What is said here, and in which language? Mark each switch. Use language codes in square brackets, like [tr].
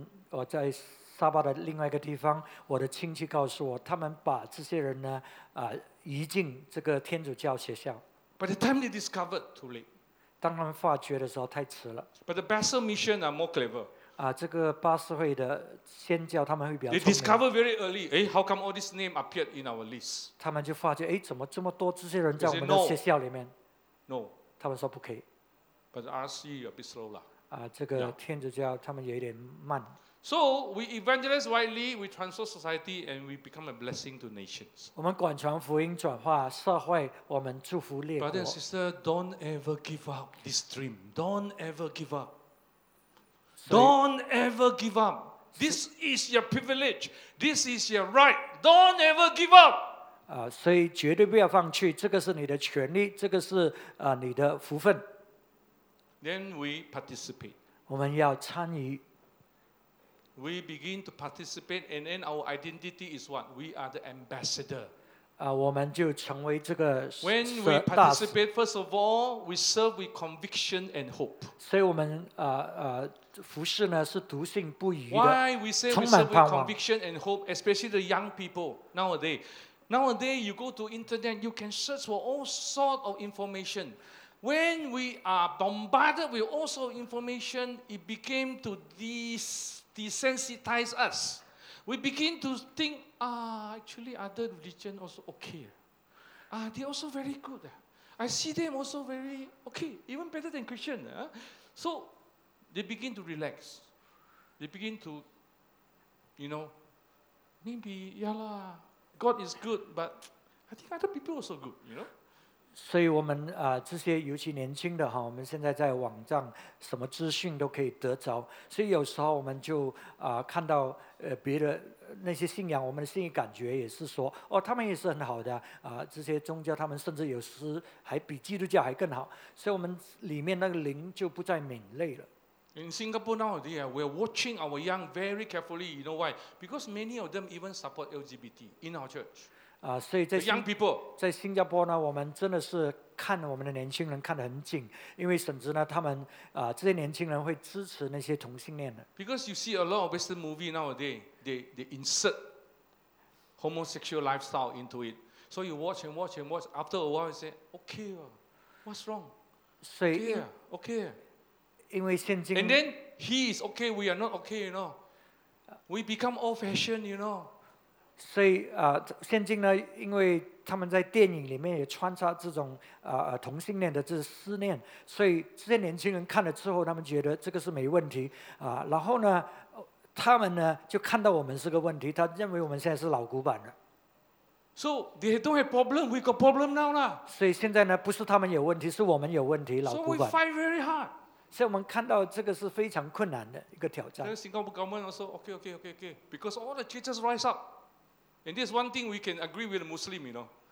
[zh] 我在沙巴的另外一个地方，我的亲戚告诉我，他们把这些人呢，移进这个天主教学校。 [en] By the time they discovered, too late. [zh] 当他们发觉的时候，太迟了。 [en] But the Basel mission are more clever. [zh] 这个巴斯会的先教他们会比较聪 [en] 明。They discover very early. How come all these names appeared in our list? [zh] 他们就发觉，怎么这么多这些人在我们的学校里面 [en] ？No. [zh] 他们说不可以。 [en] But the RC a bit slow lah. [zh] 这个天主教他们有点慢。 [en] So we evangelize widely, we transform society, and we become a blessing to nations. [zh] 我们广传福音，转化社会，我们祝福列国。 [en] Brother and sister, don't ever give up this dream. Don't ever give up. Don't ever give up. This is your privilege. This is your right. Don't ever give up. [zh] 所以绝对不要放弃。这个是你的权利，这个是你的福分。 [en] Then we participate. [zh] 我们要参与。 [en] We begin to participate, and then our identity is what? We are the ambassador. [zh] 我们就成为这个 [en] When we participate, first of all, we serve with conviction and hope. [zh] 所以我们服侍呢是笃信不疑的。 [en] Why we say we serve with conviction and hope, especially the young people nowadays? Nowadays, you go to internet, you can search for all sort of information. When we are bombarded with all sort of information, it became to this. Desensitize us. We begin to think, actually, other religion also okay. They're also very good. I see them also very okay, even better than Christian. So they begin to relax. They begin to, you know, maybe, yeah, lah, God is good, but I think other people also good, you know? [zh] 所以我们这些尤其年轻的哈，我们现在在网站什么资讯都可以得着，所以有时候我们就看到别的那些信仰，我们的心里感觉也是说，哦，他们也是很好的这些宗教他们甚至有时还比基督教还更好，所以我们里面那个灵就不再敏锐了。 [en] In Singapore nowadays, we are watching our young very carefully. You know why? Because many of them even support LGBT in our church. [zh] 所以在 [en] young people [zh] 在新加坡呢，我们真的是看我们的年轻人看得很紧，因为甚至呢，他们这些年轻人会支持那些同性恋的。 [en] Because you see a lot of Western movie nowadays, they insert homosexual lifestyle into it. So you watch and watch and watch. After a while, you say, okay, what's wrong? So, okay. [zh] 因为现今 [en] and then he is okay, we are not okay, you know. We become old fashioned, you know. [zh] 所以现今呢，因为他们在电影里面也穿插这种同性恋的这思念，所以这些年轻人看了之后，他们觉得这个是没问题然后呢，他们呢就看到我们是个问题，他认为我们现在是老古板了。 [en] So they don't have problem, we got problem now lah. [zh] 所以现在呢，不是他们有问题，是我们有问题，老古板。 [en] So we fight very hard. [zh] 所以我们看到这个是非常困难的一个挑战。 [en] The Singapore government also okay, because all the churches rise up. And this one thing we can agree with the Muslim, you know.